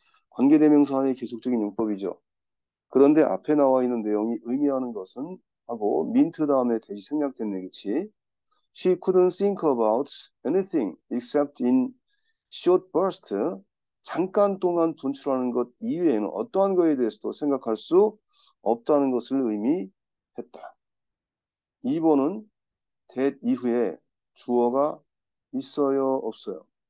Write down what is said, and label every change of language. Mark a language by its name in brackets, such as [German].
[Korean] 관계대명사의 계속적인 용법이죠. 그런데 앞에 나와 있는 내용이 의미하는 것은 하고, mint 다음에 대시 생략됐네, 그치? [English] She couldn't think about anything except in short burst. [Korean] 잠깐 동안 분출하는 것 이외에는 어떠한 것에 대해서도 생각할 수 없다는 것을 의미했다. 2번은 that 이후에 주어가 있어요, 없어요?